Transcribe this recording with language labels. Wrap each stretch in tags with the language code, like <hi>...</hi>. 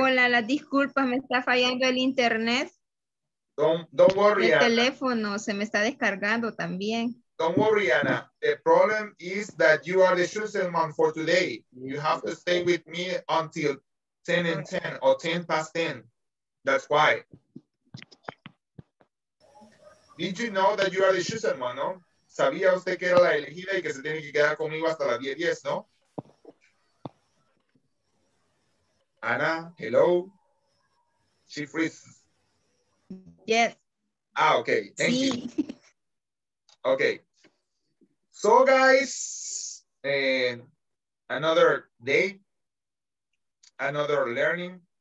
<es>Hola, la disculpa, me está fallando el internet.</es> <en>Don't worry,</en> <es>el Ana. El teléfono se me está descargando también.</es> <en>Don't worry, Ana. The problem is that you are the chosen one for today. You have to stay with me until 10 and 10 or 10 past 10. That's why. Did you know that you are the chosen one, no?</en> <es>Sabía usted que era la elegida y que se tiene que quedar conmigo hasta las 10:10, no?</es> <en>Ana, hello? She freezes. Yes. Ah, okay. Thank you. Okay. So, guys, another day, another learning.</en>